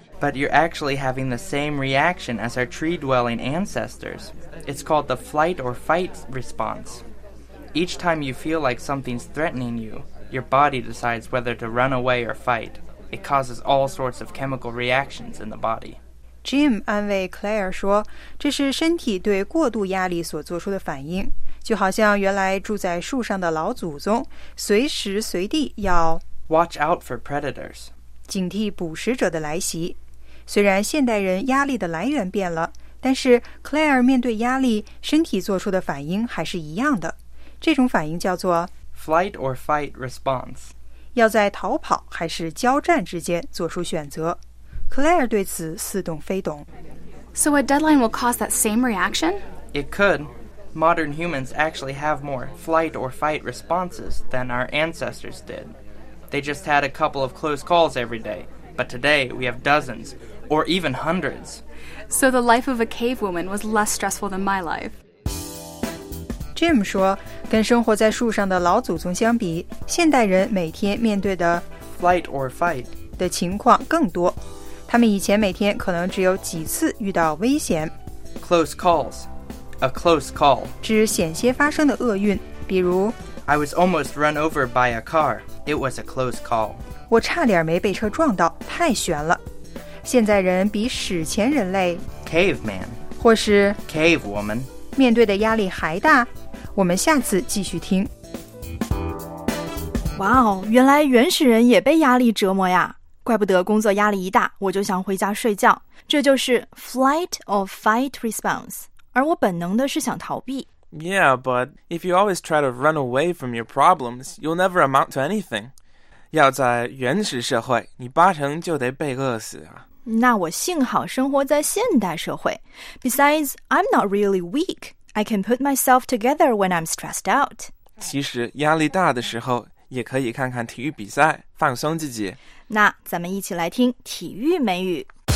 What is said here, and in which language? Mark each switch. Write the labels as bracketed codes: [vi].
[en] But you're actually having the same reaction as our tree-dwelling ancestors. It's called the flight or fight response. Each time you feel like something's threatening you, your body decides whether to run away or fight. It causes all sorts of chemical reactions in the body. [zh] Jim 安慰 Claire 说这是身体对过度压力所做出的反应就好像原来住在树上的老祖宗随时随地要 [en] Watch out for predators [zh] 警惕捕食者的来袭虽然现代人压力的来源变了但是 Claire 面对压力身体做出的反应还是一样的这种反应叫做 [en] Flight or fight response [zh] 要在逃跑还是交战之间做出选择Claire 对此似懂非懂。 [en] So a deadline will cause that same reaction? It could. Modern humans actually have more flight or fight responses than our ancestors did. They just had a couple of close calls every day. But today, we have dozens, or even hundreds. So the life of a cavewoman was less stressful than my life. [zh] Jim 说，跟生活在树上的老祖宗相比，现代人每天面对的 [en] flight or fight [zh] 的情况更多。他们以前每天可能只有几次遇到危险。 [en] Close calls. A close call. [zh] 指险些发生的厄运，比如 [en] I was almost run over by a car. It was a close call. [zh] 我差点没被车撞到，太悬了。现在人比史前人类 [en] Caveman. [zh] 或是 [en] Cavewoman. [zh] 面对的压力还大，我们下次继续听。哇哦，原来原始人也被压力折磨呀。怪不得工作压力一大我就想回家睡觉这就是 [en] flight or fight response [zh] 而我本能的是想逃避 [en] Yeah, but if you always try to run away from your problems, you'll never amount to anything. [zh] 要在原始社会，你八成就得被饿死啊。那我幸好生活在现代社会。 [en] Besides, I'm not really weak. I can put myself together when I'm stressed out. [zh] 其实压力大的时候，也可以看看体育比赛，放松自己。那咱们一起来听体育美语。